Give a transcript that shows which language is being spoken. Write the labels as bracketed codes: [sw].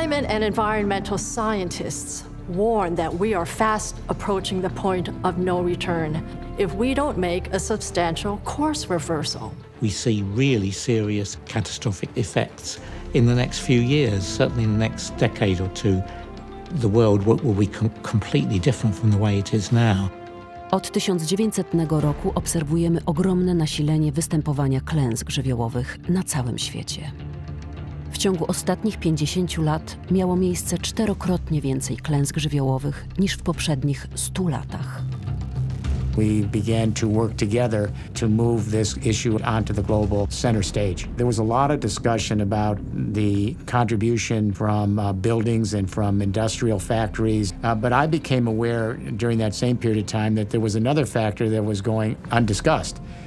[en] And environmental scientists warn that we are fast approaching the point of no return if we don't make a substantial course reversal. We see really serious catastrophic effects in the next few years, certainly in the next decade or two. The world will be completely different from the way it is now. [pl] Od 1900 roku obserwujemy ogromne nasilenie występowania klęsk żywiołowych na całym świecie. W ciągu ostatnich 50 lat miało miejsce czterokrotnie więcej klęsk żywiołowych niż w poprzednich 100 latach. [en] We began to work together to move this issue onto the global center stage. There was a lot of discussion about the contribution from buildings and from industrial factories, but I became aware during that same period of time that there was another factor that was going undiscussed.